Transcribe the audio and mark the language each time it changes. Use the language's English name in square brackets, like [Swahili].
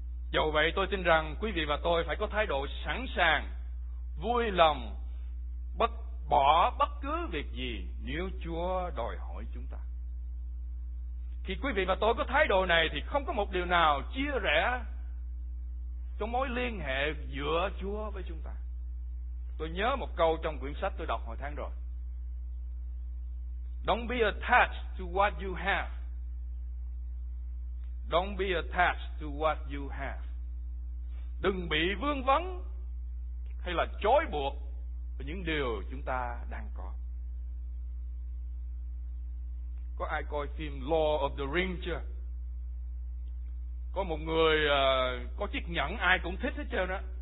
[Vietnamese] Dù vậy, tôi tin rằng quý vị và tôi phải có thái độ sẵn sàng, vui lòng bất bỏ bất cứ việc gì nếu Chúa đòi hỏi chúng ta. Khi quý vị và tôi có thái độ này thì không có một điều nào chia rẽ trong mối liên hệ giữa Chúa với chúng ta. Tôi nhớ một câu trong quyển sách tôi đọc hồi tháng rồi. [English] Don't be attached to what you have. Don't be attached to what you have. [Vietnamese] Đừng bị vương vấn hay là chối buộc những điều chúng ta đang có. Có ai coi phim Lord of the Rings chưa? Có một người có chiếc nhẫn ai cũng thích hết trơn đó.